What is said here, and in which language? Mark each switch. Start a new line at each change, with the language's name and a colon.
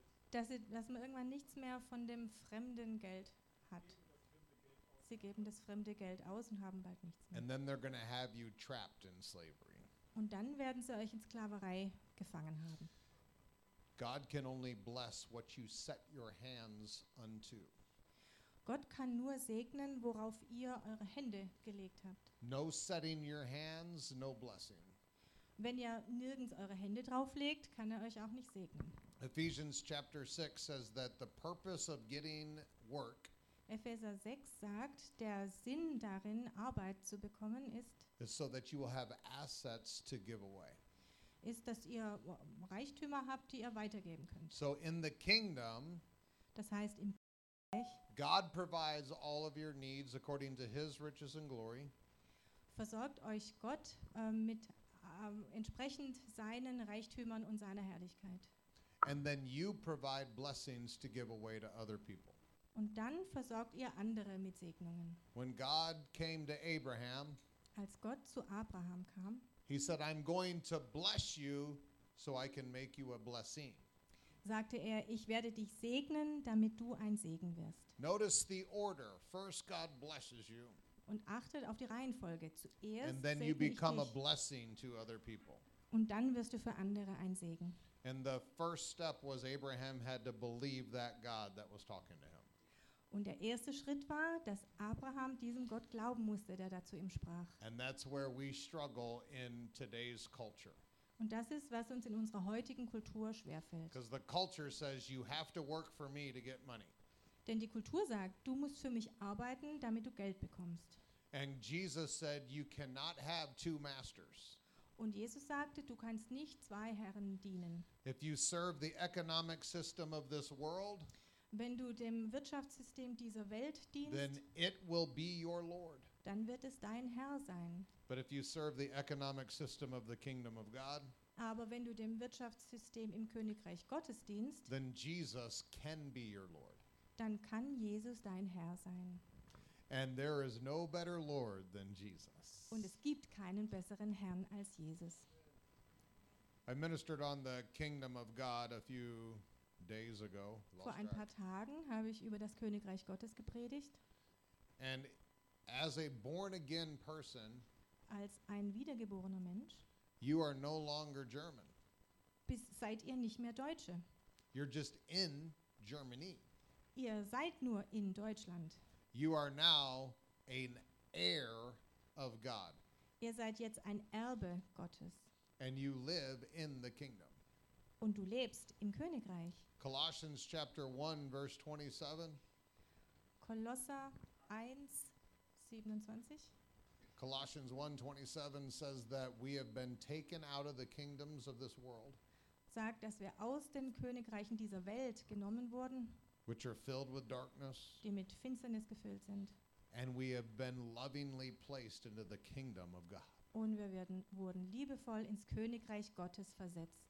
German: Dass man irgendwann nichts mehr von dem fremden Geld hat. Sie geben das fremde Geld aus und haben bald nichts mehr.
English: And then they're gonna have you trapped in slavery.
German: Und dann werden sie euch in Sklaverei gefangen haben.
English: God can only bless what you set your hands unto.
German: Gott kann nur segnen, worauf ihr eure Hände gelegt habt.
English: No setting your hands, no blessing.
German: Wenn ihr nirgends eure Hände drauflegt, kann er euch auch nicht segnen.
English: Ephesians chapter 6 says that the purpose of getting work.
German: Epheser 6 sagt, der Sinn darin, Arbeit zu bekommen, ist.
English: Is so that you will have assets to give away.
German: Ist, dass ihr Reichtümer habt, die ihr weitergeben könnt.
English: So in the kingdom.
German: Das heißt im Reich.
English: God provides all of your needs according to His riches and glory.
German: Versorgt euch Gott mit entsprechend seinen Reichtümern und seiner Herrlichkeit.
English: And then you provide blessings to give away to other people.
German: Und dann versorgt ihr andere mit Segnungen.
English: When God came to Abraham,
German: als Gott zu Abraham kam,
English: he said, I'm going to bless you so I can make you a blessing.
German: Sagte er, ich werde dich segnen, damit du ein Segen wirst.
English: Notice the order. First God blesses you.
German: Und achtet auf die Reihenfolge. Zuerst
English: and then you become a blessing to other people.
German: Und dann wirst du für andere ein Segen.
English: And the first step was Abraham had to believe that God that was talking to him.
German: Und der erste Schritt war, dass Abraham diesem Gott glauben musste, der dazu ihm sprach.
English: And that's where we struggle in today's culture.
German: Und das ist, was uns in unserer heutigen Kultur schwerfällt.
English: Because the culture says you have to work for me to get money.
German: Denn die Kultur sagt, du musst für mich arbeiten, damit du Geld bekommst.
English: And Jesus said, you cannot have two masters.
German: Und Jesus sagte, du kannst nicht zwei Herren dienen.
English: If you serve the economic system of this world,
German: wenn du dem Wirtschaftssystem dieser Welt dienst,
English: then it will be your Lord.
German: Dann wird es dein Herr sein.
English: But if you serve the economic system of the kingdom of God,
German: aber wenn du dem Wirtschaftssystem im Königreich Gottes dienst,
English: then Jesus can be your Lord.
German: Dann kann Jesus dein Herr sein.
English: And there is no better Lord than Jesus.
German: Und es gibt keinen besseren Herrn als Jesus.
English: I ministered on the kingdom of God a few days ago.
German: Vor ein paar Tagen habe ich über das Königreich Gottes gepredigt.
English: And as a born again person,
German: als ein wiedergeborener Mensch,
English: you are no longer German.
German: Seid ihr nicht mehr Deutsche.
English: You're just in Germany.
German: Ihr seid nur in Deutschland.
English: You are now an heir of God.
German: Ihr seid jetzt ein Erbe Gottes.
English: And you live in the kingdom.
German: Und du lebst im Königreich.
English: Colossians chapter 1 verse 27.
German: Kolosser 1 27.
English: Colossians 1:27 says that we have been taken out of the kingdoms of this world.
German: Sagt, dass wir aus den Königreichen dieser Welt genommen wurden.
English: Which are filled with darkness.
German: Die mit Finsternis gefüllt sind.
English: And we have been lovingly placed into the kingdom of God.
German: Und wir wurden liebevoll ins Königreich Gottes versetzt.